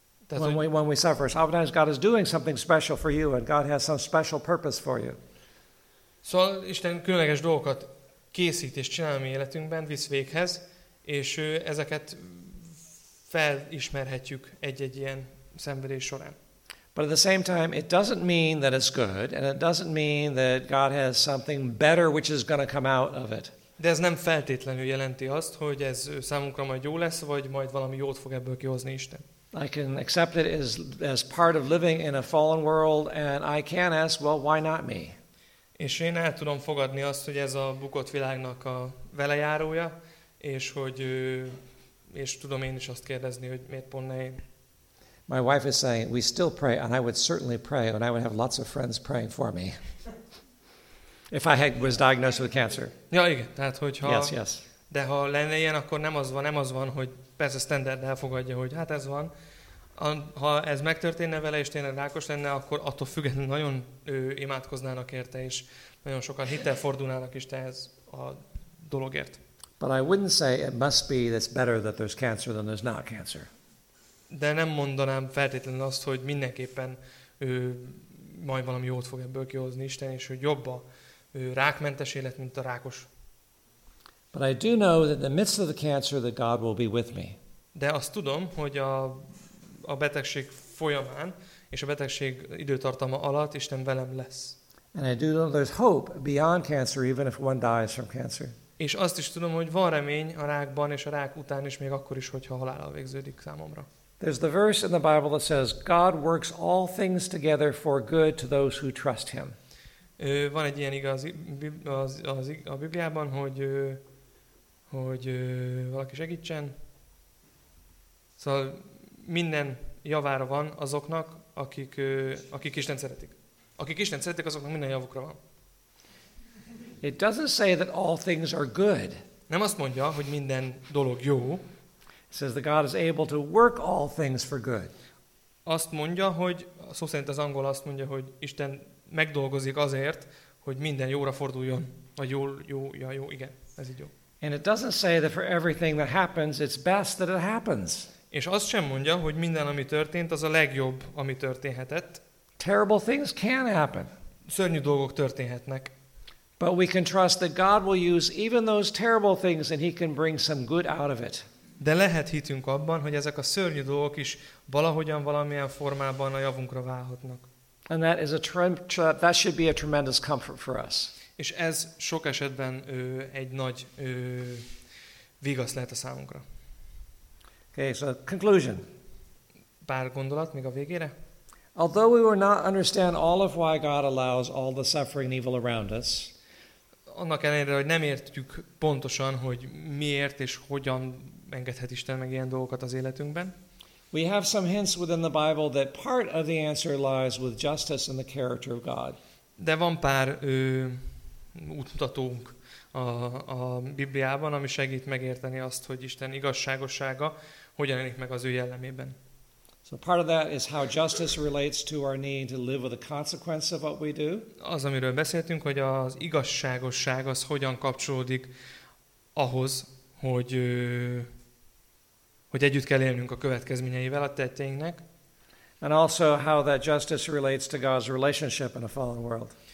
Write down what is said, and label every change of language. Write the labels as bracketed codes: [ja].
[en] When we suffer, sometimes God is doing something special for you, and God has some special purpose for you. [hu] Szóval Isten különleges dolgokat készít és csinál a mi életünkben, visz véghez, és ezeket felismerhetjük egy-egy ilyen szenvedés során. [en] But at the same time, it doesn't mean that it's good, and it doesn't mean that God has something better which is going to come out of it. [hu] De ez nem feltétlenül jelenti azt, hogy ez számunkra majd jó lesz, vagy majd valami jót fog ebből kihozni Isten. [en] I can accept it as part of living in a fallen world, and I can ask, well, why not me? [hu] És én el tudom fogadni azt, hogy ez a bukott világnak a velejárója, és tudom én is azt kérdezni, hogy miért pont ne én. [en] My wife is saying, we still pray, and I would certainly pray, and I would have lots of friends praying for me. If I had was diagnosed with cancer. [hu] Ja, igen. Tehát, hogyha, [en] yes, yes. [hu] De ha lenne ilyen, akkor nem az van, hogy persze standard elfogadja, hogy hát ez van. Ha ez megtörténne vele, és tényleg rákos lenne, akkor attól függetlenül nagyon imádkoznának érte, és nagyon sokan hittel fordulnának is tehez a dologért. [en] But I wouldn't say it must be that's better that there's cancer than there's not cancer. [hu] De nem mondanám feltétlenül azt, hogy mindenképpen majd valami jót fog ebből kihozni Isten, és hogy jobb a rákmentes élet, mint a rákos. [en] But I do know that in the midst of the cancer that God will be with me. [hu] De azt tudom, hogy a betegség folyamán és a betegség időtartama alatt Isten velem lesz. [en] And I do know there's hope beyond cancer even if one dies from cancer. [hu] És azt is tudom, hogy van remény a rákban és a rák után is még akkor is, hogyha halállal végződik számomra. [en] There's the verse in the Bible that says God works all things together for good to those who trust him. [hu] Van egy ilyen igaz a Bibliában, hogy valaki segítsen. Szóval minden javára van azoknak, akik Isten szeretik. Akik Isten szeretik, azoknak minden javukra van. [en] It doesn't say that all things are good. [hu] Nem azt mondja, hogy minden dolog jó. [en] It says that God is able to work all things for good. [hu] Azt mondja, hogy szó szerint az angol azt mondja, hogy Isten megdolgozik azért, hogy minden jóra forduljon, vagy jó, igen, ez így jó. [en] And it doesn't say that for everything that happens, it's best that it happens. [hu] És azt sem mondja, hogy minden, ami történt, az a legjobb, ami történhetett. [en] Terrible things can happen. [hu] Szörnyű dolgok történhetnek. [en] But we can trust that God will use even those terrible things, and he can bring some good out of it. [hu] De lehet hitünk abban, hogy ezek a szörnyű dolgok is valahogyan, valamilyen formában a javunkra válhatnak. [en] And that is that should be a tremendous comfort for us. [hu] És ez sok esetben egy nagy vigasz lehet a számunkra. [en] Okay, so conclusion. [hu] Pár gondolat még a végére. [en] Although we will not understand all of why God allows all the suffering and evil around us. [hu] Annak ellenére, hogy nem értjük pontosan, hogy miért és hogyan engedhet Isten meg ilyen dolgokat az életünkben. [en] We have some hints within the Bible that part of the answer lies with justice and the character of God. [hu] De van pár útmutatónk a Bibliában, ami segít megérteni azt, hogy Isten igazságossága hogyan jelenik meg az ő jellemében. [en] So part of that is how justice relates to our need to live with the consequence of what we do. [hu] Az, amiről beszéltünk, hogy az igazságosság az hogyan kapcsolódik ahhoz, hogy együtt kell élnünk a következményeivel a tetteinknek. [en] And also how that justice relates to God's relationship in a fallen world.